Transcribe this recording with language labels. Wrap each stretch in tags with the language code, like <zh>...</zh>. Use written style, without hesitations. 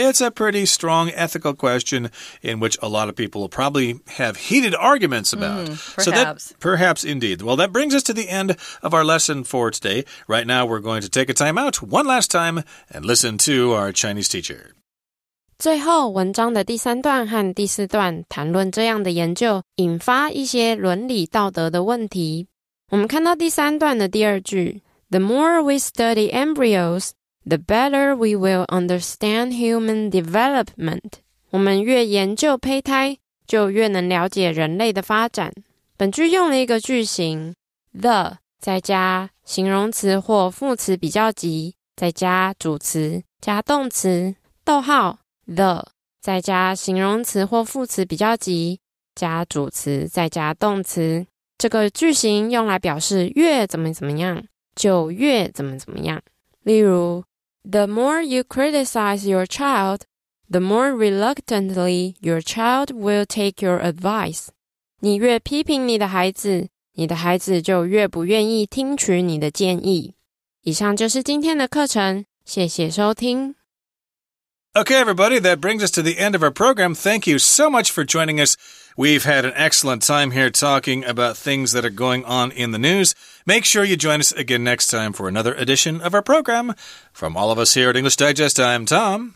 <en>It's a pretty strong ethical question in which a lot of people will probably have heated arguments about. Perhaps. Perhaps indeed. Well, that brings us to the end of our lesson for today. Right now, we're going to take a time out one last time and listen to our Chinese teacher.</en> <zh>最后文章的第三段和第四段谈论这样的研究引发一些伦理道德的问题。我们看到第三段的第二句</zh> <en>The more we study embryos, the better we will understand human development.</en> <zh>我们越研究胚胎就越能了解人类的发展。本句用了一个句型 the 再加形容词或副词比较级再加主词加动词逗号The, 再加形容词或副词比较级，加主词，再加动词。这个句型用来表示越怎么怎么样，就越怎么怎么样。例如</zh> <en>The more you criticize your child, the more reluctantly your child will take your advice.</en> <zh>你越批评你的孩子，你的孩子就越不愿意听取你的建议。以上就是今天的课程，谢谢收听。</zh> <en>Okay, everybody, that brings us to the end of our program. Thank you so much for joining us. We've had an excellent time here talking about things that are going on in the news. Make sure you join us again next time for another edition of our program. From all of us here at English Digest, I'm Tom.</en>